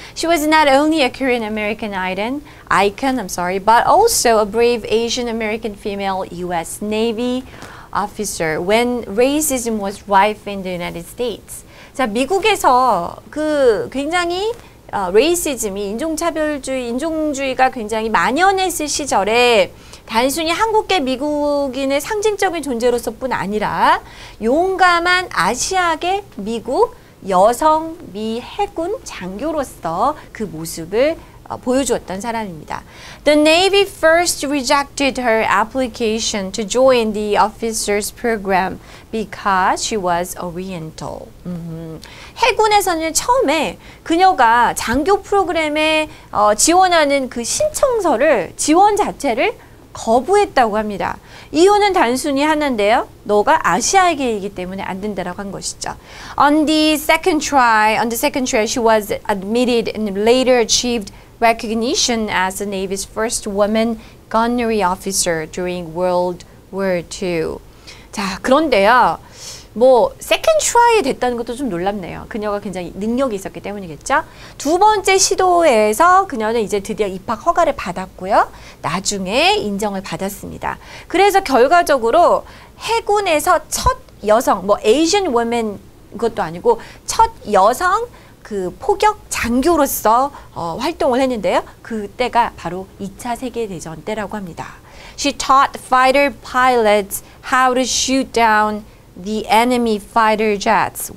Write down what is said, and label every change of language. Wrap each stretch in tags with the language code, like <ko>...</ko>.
<en>She was not only a Korean American icon, but also a brave Asian American female U.S. Navy officer when racism was rife in the United States.</en> <ko>자, 미국에서 그 굉장히 racism이 인종차별주의, 인종주의가 굉장히 만연했을 시절에 단순히 한국계 미국인의 상징적인 존재로서뿐 아니라 용감한 아시아계 미국 여성 미 해군 장교로서 그 모습을 보여주었던 사람입니다.</ko> <en>The Navy first rejected her application to join the officers program because she was Oriental.</en> <ko>해군에서는 처음에 그녀가 장교 프로그램에 지원하는 그 신청서를, 지원 자체를 거부했다고 합니다. 이유는 단순히 하나인데요. 너가 아시아계이기 때문에 안 된다라고 한 것이죠.</ko> <en>On the second try, she was admitted and later achieved recognition as the Navy's first woman gunnery officer during World were two.</en> <ko>자, 그런데요. 뭐</ko> <en>second try</en> <ko>에 됐다는 것도 좀 놀랍네요. 그녀가 굉장히 능력이 있었기 때문이겠죠. 두 번째 시도에서 그녀는 이제 드디어 입학 허가를 받았고요. 나중에 인정을 받았습니다. 그래서 결과적으로 해군에서 첫 여성, 뭐</ko> <en>Asian woman</en> <ko>그것도 아니고 첫 여성 그 포격 장교로서 활동을 했는데요. 그때가 바로 2차 세계대전 때라고 합니다.</ko> <en>She taught fighter pilots how to shoot down the enemy fighter jets.</en>